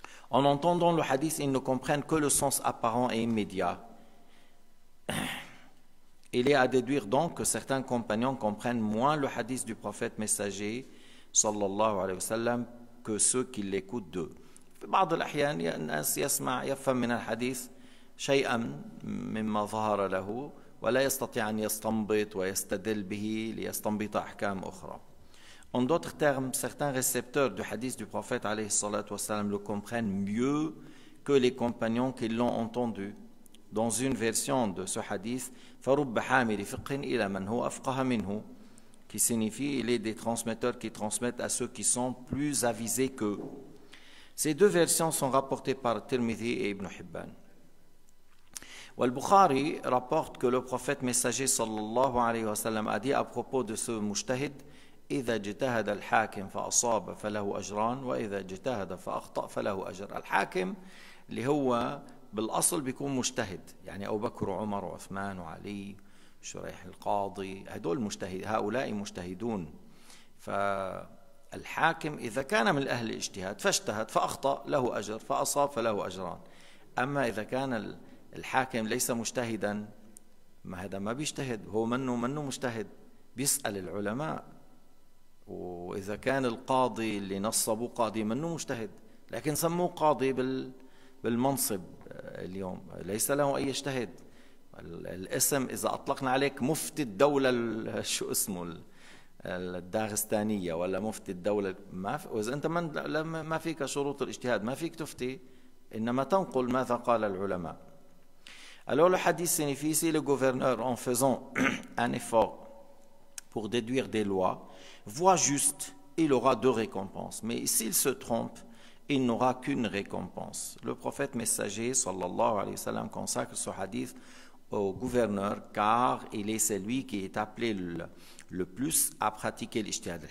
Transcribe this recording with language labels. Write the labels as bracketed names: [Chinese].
[French] En entendant le hadith, ils ne comprennent que le sens apparent et immédiat. Il est à déduire donc que certains compagnons comprennent moins le hadith du prophète messager sallallahu alayhi wa sallam que ceux qui l'écoutent d'eux. [Arabic] بعض الأحيان الناس يسمع يفهم من الحديث شيئا مما ظهر له ولا يستطيع أن يستنبط ويستدل به ليستنبط أحكام أخرى. [French] En d'autres termes, certains récepteurs du hadith du prophète alayhi salatu wasalam le comprennent mieux que les compagnons qui l'ont entendu. Dans une version de ce hadith, [Arabic] فَرُبَّ حَامِلِ فِقْهٍ إِلَى مَنْ هُوَ أَفْقَهَ مِنْهُ, [French] qui signifie « il est des transmetteurs qui transmettent à ceux qui sont plus avisés qu'eux ». Ces deux versions sont rapportées par Tirmidhi et Ibn Hibban. Al-Bukhari rapporte que le prophète messager sallallahu alayhi wa sallam a dit à propos de ce mujtahid: [Arabic] إذا اجتهد الحاكم فأصاب فله أجران وإذا اجتهد فأخطأ فله أجر. الحاكم اللي هو بالأصل بيكون مجتهد, يعني أبو بكر وعمر وعثمان وعلي شريح القاضي, هدول مجتهد, هؤلاء مجتهدون. فالحاكم إذا كان من أهل الاجتهاد فاجتهد فأخطأ له أجر, فأصاب فله أجران. أما إذا كان الحاكم ليس مجتهدا, ما هذا ما بيجتهد, هو منه مجتهد, بيسأل العلماء. وإذا كان القاضي اللي نصبوا قاضي منه مجتهد, لكن سموه قاضي بالمنصب اليوم ليس له أي اجتهد. الاسم إذا أطلقنا عليك مفتي الدولة شو اسمه الداغستانية ولا مفتي الدولة, ما وإذا أنت ما فيك شروط الاجتهاد ما فيك تفتي, إنما تنقل ماذا قال العلماء. [French] Alors le hadith signifie, si le gouverneur en faisant un effort pour déduire des lois voit juste, il aura deux récompenses. Mais s'il se trompe, il n'aura qu'une récompense. Le prophète messager, sallallahu alayhi wa sallam, consacre ce hadith au gouverneur, car il est celui qui est appelé le plus à pratiquer l'ijtihad.